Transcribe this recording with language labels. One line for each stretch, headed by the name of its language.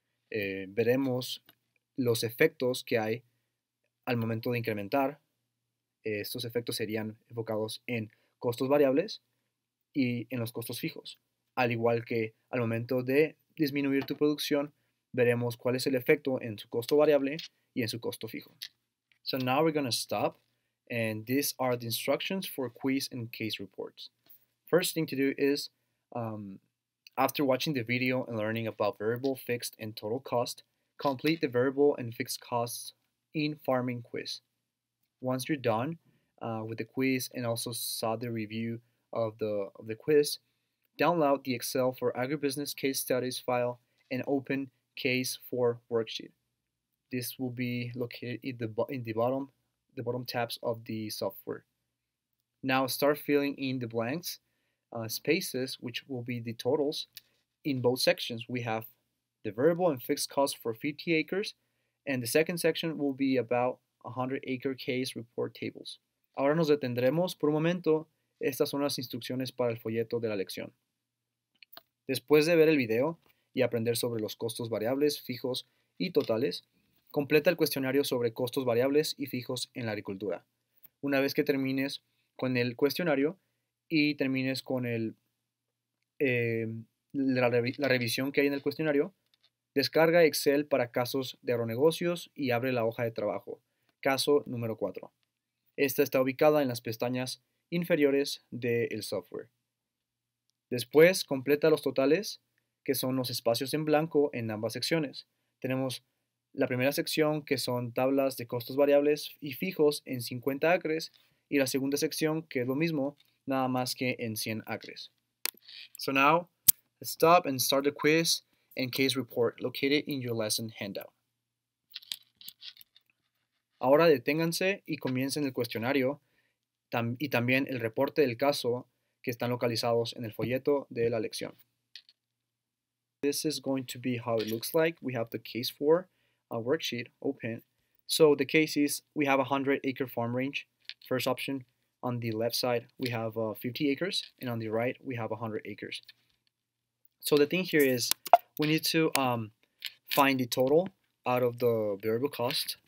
Spanish: Veremos los efectos que hay al momento de incrementar. Estos efectos serían enfocados en costos variables y en los costos fijos. Al igual que al momento de disminuir tu producción, veremos cuál es el efecto en su costo variable y en su costo fijo.
English: So now we're going to stop. And these are the instructions for quiz and case reports. First thing to do is, after watching the video and learning about variable, fixed, and total cost, complete the variable and fixed costs in farming quiz. Once you're done with the quiz and also saw the review of the quiz, download the Excel for Agribusiness case studies file and open case 4 worksheet. This will be located in the bottom tabs of the software. Now start filling in the blanks, spaces, which will be the totals. In both sections, we have the variable and fixed cost for 50 acres, and the second section will be about 100 acre case report tables.
Spanish: Ahora nos detendremos por un momento. Estas son las instrucciones para el folleto de la lección. Después de ver el video y aprender sobre los costos variables, fijos y totales, completa el cuestionario sobre costos variables y fijos en la agricultura. Una vez que termines con el cuestionario y termines con la revisión que hay en el cuestionario, descarga Excel para casos de agronegocios y abre la hoja de trabajo, caso número 4. Esta está ubicada en las pestañas inferiores del software. Después, completa los totales, que son los espacios en blanco en ambas secciones. Tenemos la primera sección, que son tablas de costos variables y fijos en 50 acres, y la segunda sección, que es lo mismo, nada más que en 100 acres.
English: So now, stop and start the quiz and case report located in your lesson handout.
Spanish: Ahora deténganse y comiencen el cuestionario y también el reporte del caso que están localizados en el folleto de la lección.
English: This is going to be how it looks like. We have the case 4. A worksheet open. So the case is we have a 100 acre farm range. First option on the left side we have 50 acres, and on the right we have 100 acres. So the thing here is we need to find the total out of the variable cost.